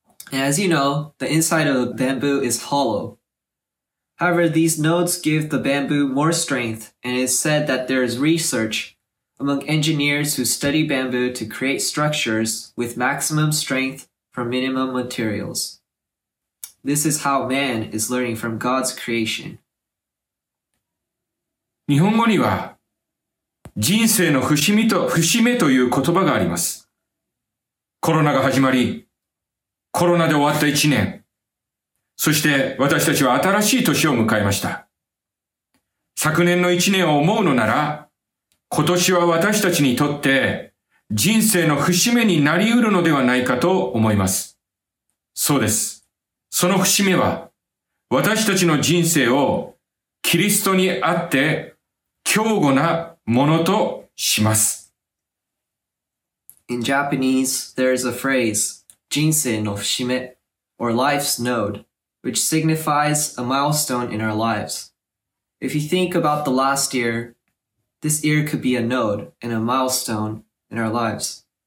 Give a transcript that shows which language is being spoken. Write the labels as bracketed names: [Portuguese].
[English] And as you know, the inside of the bamboo is hollow. However, these nodes give the bamboo more strength, and it is said that there is research among engineers who study bamboo to create structures with maximum strength from minimum materials. This is how man is learning from God's creation. [Japanese] 日本語には人生の節目という言葉があります。コロナが始まり、コロナで終わった一年、そして私たちは新しい年を迎えました。昨年の一年を思うのなら、今年は私たちにとって人生の節目になりうるのではないかと思います。そうです。その節目は私たちの人生をキリストにあって強固なものとします。 [English] In Japanese, there is a phrase, 人生の節目 or life's node, which signifies a milestone in our lives. If you think about the last year, this year could be a node and a milestone in our lives.